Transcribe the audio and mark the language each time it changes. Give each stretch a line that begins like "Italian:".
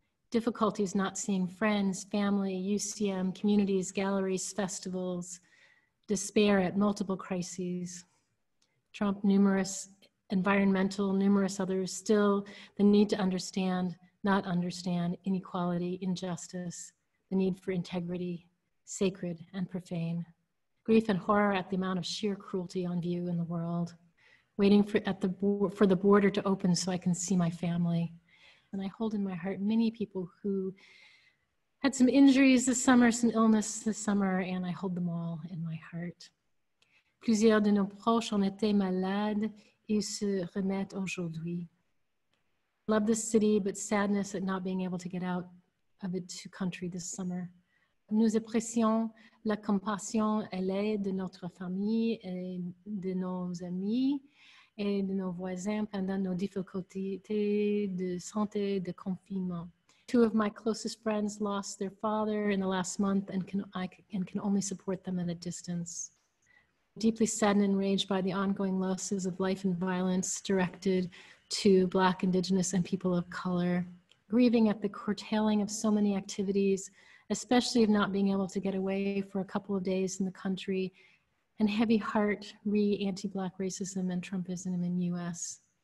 English: Difficulties not seeing friends, family, UCM, communities, galleries, festivals, despair at multiple crises, Trump, numerous environmental, numerous others, still the need to understand, not understand, inequality, injustice, the need for integrity, sacred and profane, grief and horror at the amount of sheer cruelty on view in the world, waiting for the border to open so I can see my family. And I hold in my heart many people who had some injuries this summer, some illness this summer, and I hold them all in my heart.
French: Plusieurs de nos proches ont été malades et se remettent aujourd'hui.
English: Love this city, but sadness at not being able to get out of it to country this summer.
French: Nous apprécions la compassion et l'aide de notre famille et de nos amis et de nos voisins pendant nos difficultés de santé de confinement.
English: Two of my closest friends lost their father in the last month and can only support them at a distance. Deeply saddened and enraged by the ongoing losses of life and violence directed to Black, Indigenous, and people of color. Grieving at the curtailing of so many activities, especially of not being able to get away for a couple of days in the country, and heavy heart re-anti-Black racism and Trumpism in US.